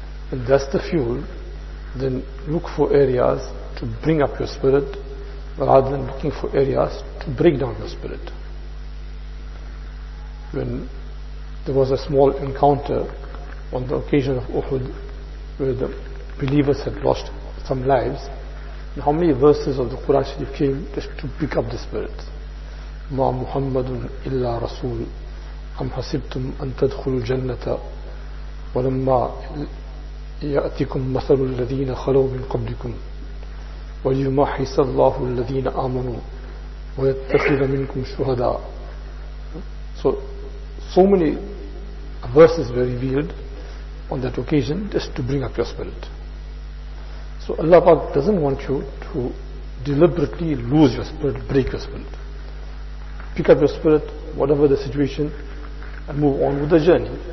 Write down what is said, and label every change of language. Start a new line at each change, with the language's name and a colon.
English: And that's the fuel, then look for areas to bring up your spirit rather than looking for areas to break down your spirit. When there was a small encounter on the occasion of Uhud where the believers had lost some lives, and how many verses of the Quran Sharif came just to pick up the spirit?
Arabic: مَا مُحَمَّدٌ إِلَّا رَسُولٌ أَمْ حَسِبْتُمْ أَن تَدْخُلُوا الْجَنَّةَ وَلَمَّا يأتكم مثل الذين خلوا من قبلكم وليمحص الله الذين آمنوا ويتخذ منكم شهداء.
English: So many verses were revealed on that occasion just to bring up your spirit. So Allah doesn't want you to deliberately lose your spirit, break your spirit. Pick up your spirit, whatever the situation, and move on with the journey.